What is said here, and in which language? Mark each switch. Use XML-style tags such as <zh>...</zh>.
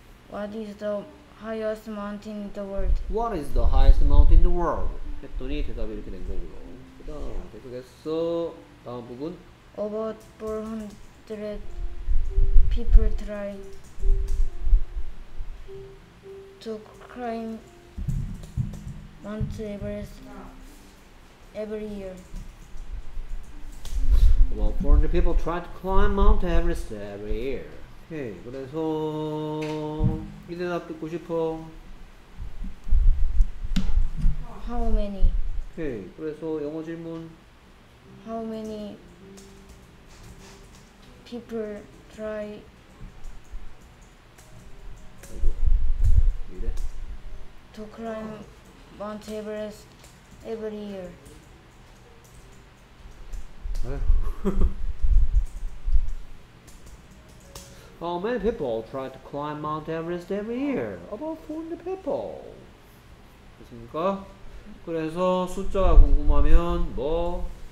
<en>What is the highest mountain in the world? What is the highest mountain in the world?</en> <ko>했더니 대답이 이렇게 된 거고요. 그 다음 계속해서 다음 부분</ko> <en>About 400 people tried to climb Mount Everest every year. About 400 people tried to climb Mount Everest every year.</en> <ko>오케이. 그래서 이 대답 듣고 싶어?</ko> <en>How many?</en> <ko>오케이. 그래서 영어 질문</ko> <en>How many people try</en> <ko>아이고, 이래?</ko> <en>to climb Mount Everest every year? How many people try to climb Mount Everest every year? About 400 people.</en> <ko>됐습니까? 그래서 숫자가 궁금하면 뭐?</ko>